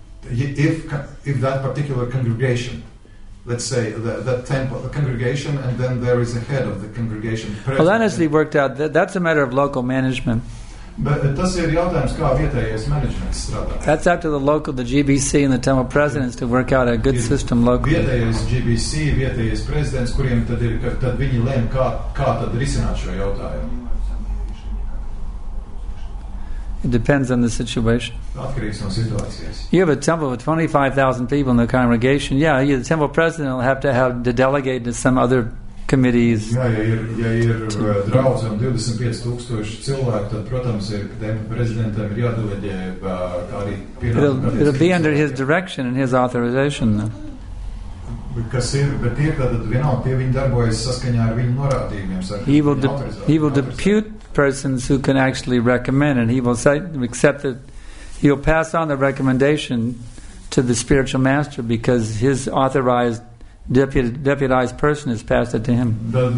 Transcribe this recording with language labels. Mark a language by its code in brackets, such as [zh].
[en] If that particular congregation, let's say that temple, the congregation, and then there is a head of the congregation. Well, that has to be worked out. That's a matter of local management. [lv] But tas ir jautājums, kā vietējais managements strādā. [en] That's up to the local, the GBC and the temple presidents to work out a good system locally. [lv] Vietējais GBC, vietējais prezidents, kuriem tad ir, tad viņi lēm, kā tad risināt šo jautājumu. [en] It depends on the situation. [lv] Atkarīgs no situācijas. [en] You have a temple with 25,000 people in the congregation. Yeah, the temple president will have to have to delegate to some other committees. [lv] Ja ir draudze un 25,000 cilvēku, tad protams ir tempļa prezidentam ir jādeleģē arī pirmā. [en] It'll be under his direction and his authorization. [lv] Kas ir, bet tie, tad vienalga, tie viņi darbojas saskaņā ar viņu norādījumiem. [en] He will depute persons who can actually recommend, and he will say, accept it. He'll pass on the recommendation to the spiritual master because his authorized deputized person has passed it to him.